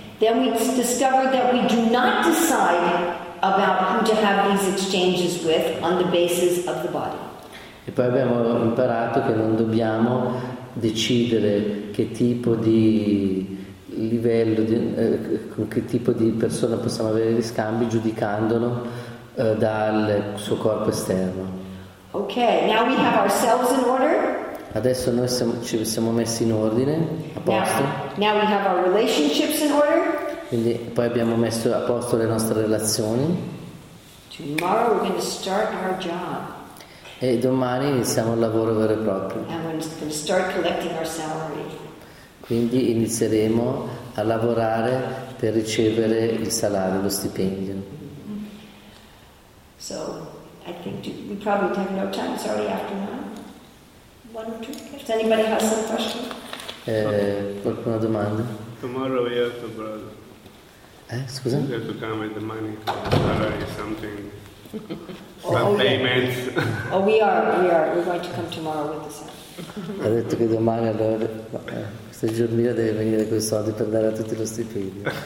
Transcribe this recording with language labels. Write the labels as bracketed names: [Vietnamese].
[English] Then we discover that we do not decide about who to have these exchanges with on the basis of the body. [Italian] E poi abbiamo imparato che non dobbiamo decidere che tipo di livello di, con che tipo di persona possiamo avere gli scambi giudicandolo dal suo corpo esterno. [English] Okay, now we have ourselves in order. [Italian] Adesso noi ci siamo messi in ordine, a posto. [English] Now we have our relationships in order. [Italian] Quindi poi abbiamo messo a posto le nostre relazioni. [English] Tomorrow we're going to start our job. [Italian] E domani iniziamo il lavoro vero e proprio. [English] And we're going to start collecting our salary. [Italian] Quindi inizieremo a lavorare per ricevere il salario, lo stipendio. Mm-hmm. [English] So I think we probably have no time. It's already after 9. Does anybody have some questions? [Italian] Qualcuno ha domande? [English] Tomorrow we have to brother. [Italian] Scusa? [English] You have to come with the money, salary, something, some payments. Oh, we are. We're going to come tomorrow with the salary. [Italian] Ha detto che domani allora questa giornata deve venire quei soldi per dare a tutti lo stipendio.